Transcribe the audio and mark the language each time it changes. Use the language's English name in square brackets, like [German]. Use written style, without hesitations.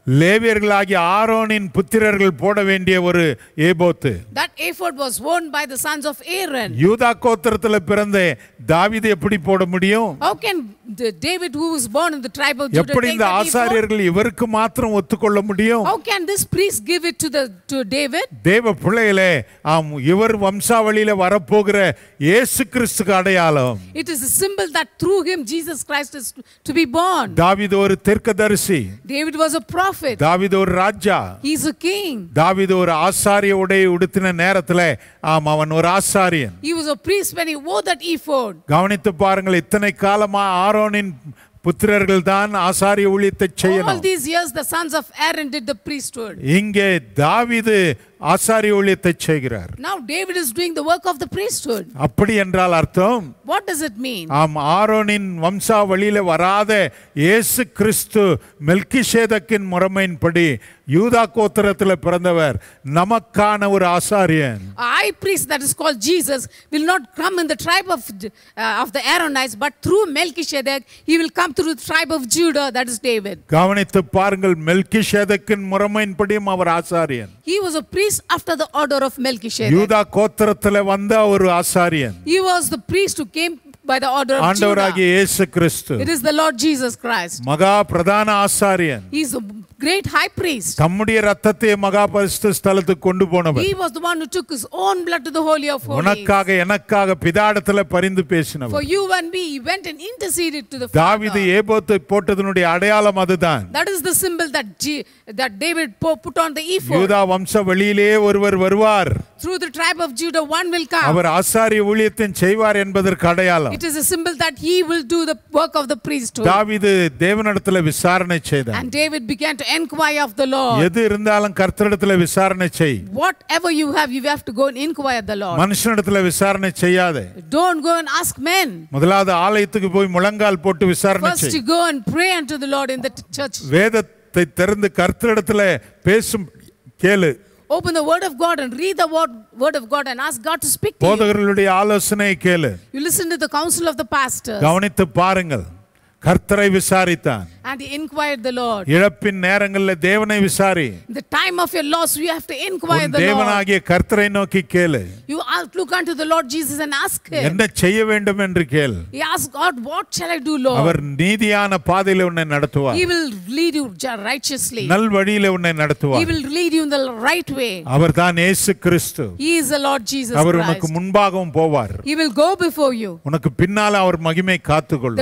[Tamil] லேவியர்களாகிய ஆரோனின் புத்திரர்கள் போட வேண்டிய ஒரு ஏபோத்து [English] that ephod was worn by the sons of aaron [Tamil] யூதா கோத்திரத்தில் பிறந்த தாவீது எப்படி போட முடியும் [English] how can the david who was born in the tribe of judah [Tamil] எப்படி இந்த ஆசாரியர்கள் இவருக்கு மட்டும் ஒத்துக்கொள்ள முடியும் [English] how can this priest give it to david [Tamil] தேவ பிள்ளையிலே இவர் வம்சாவளியிலே வர போகிற இயேசு கிறிஸ்துக்கு அடையாளம் [English] it is a symbol that through him jesus christ is to be born [Tamil] தாவீது ஒரு தீர்க்கதரிசி [English] david was a prophet [Tamil] தாவீது ஒரு ராஜா [English] he is a king [Tamil] தாவீது ஒரு ஆசாரிய உடை உடுத்தின நேரத்திலே அவன் ஒரு ஆசாரியன் [English] he was a priest when he wore that ephod [Tamil] கவனித்து பாருங்கள் இத்தனை காலமா ஆரோனின் புத்திரர்கள் தான் ஆசாரிய ஊழியத்தை செய்யணும் [English] all these years the sons of aaron did the priesthood [Tamil] இங்கே தாவீது ஆசாரிய ஊழியத்தை செய்கிறார். [English] Now David is doing the work of the priesthood. [Tamil] அப்படி என்றால் அர்த்தம்? [English] What does it mean? [Tamil] ஆம் ஆரோனின் வம்சாவளியில வராத இயேசு கிறிஸ்து மெல்கிசேதேக்கின் முறைமையின்படி யூதா கோத்திரத்தில் பிறந்தவர் நமக்கான ஒரு ஆசாரியன். [English] A high priest that is called Jesus will not come in the tribe of the Aaronites but through Melchizedek he will come through the tribe of Judah that is David. [Tamil] கவனித்து பாருங்கள் மெல்கிசேதேக்கின் முறைமையின்படியும் அவர் ஆசாரியன். [English] He was a priest after the order of Melchizedek. [Tamil] யூதா கோத்திரத்தில் வந்த ஒரு ஆசாரியன். [English] He was the priest who came by the order of [Tamil] ஆண்டவராகிய இயேசு கிறிஸ்து. [English] It is the Lord Jesus Christ. [Tamil] மகா பிரதான ஆசாரியன். [English] He is a great high priest. [Tamil] தம்முடைய இரத்தத்தை மகா பரிசுத்த ஸ்தலத்துக்கு கொண்டு போனவர். [English] He was the one who took his own blood to the holy of holies. [Tamil] உனக்காக எனக்காக பிதாவிடத்தில் பரிந்து பேசினவர். [English] For you and me he went and interceded to the Father. [Tamil] தாவீது ஏபோத்தை போட்டதினுடைய அடையாளம் அதுதான். [English] That is the symbol that David put on the ephod. [Tamil] யூதா வம்சவெளியிலே ஒருவர் வருவார். [English] Through the tribe of Judah one will come. [Tamil] அவர் ஆசாரிய ஊழியத்தின் செய்வார் என்பதற்கு அடையாளம். [English] It is a symbol that he will do the work of the priesthood. [Tamil] தாவீது தேவனிடத்தில் விசாரணை செய்தார். [English] And David began to inquire of the Lord. [Tamil] எது இருந்தாலும் கர்த்தரிடத்தில் விசாரணை செய். [English] Whatever you have to go and inquire the Lord. [Tamil] மனுஷனிடத்தில் விசாரணை செய்யாதே. [English] Don't go and ask men. [Tamil] முதலாவது ஆலயத்துக்கு போய் முழங்கால் போட்டு விசாரணை செய். [English] First you go and pray unto the Lord in the church. [Tamil] வேதத்தை திறந்து கர்த்தரிடத்தில் பேசும் கேளு. [English] Open the word of God and read the word of God and ask God to speak to you. [Tamil] போதகர்களுடைய ஆலோசனை கேளு. [English] You listen to the counsel of the pastors. [Tamil] கவனித்து பாருங்கள். கர்த்தரை விசாரித்தான். [English] And he inquired the Lord. [Tamil] இழப்பின் நேரங்களில் தேவனை விசாரி. [English] In the time of your loss you have to inquire the Lord. [Tamil] தேவனாகிய கர்த்தரை நோக்கி கேளு. [English] You look unto the Lord Jesus and ask him. [Tamil] என்ன செய்ய வேண்டும் என்று கேள். [English] He asked God, what shall I do Lord? [Tamil] அவர் நீதியான பாதையில் உன்னை நடத்துவார். [English] He will lead you righteously. [Tamil] நல் வழியில் உன்னை நடத்துவார். [English] He will lead you in the right way. [Tamil] அவர் தான் இயேசு கிறிஸ்து. [English] He is the Lord Jesus Christ. [Tamil] அவர் உனக்கு முன்பாகவும் போவார். [English] He will go before you. [Tamil] உனக்கு பின்னால அவர் மகிமை காத்துக்கொள்ளும்.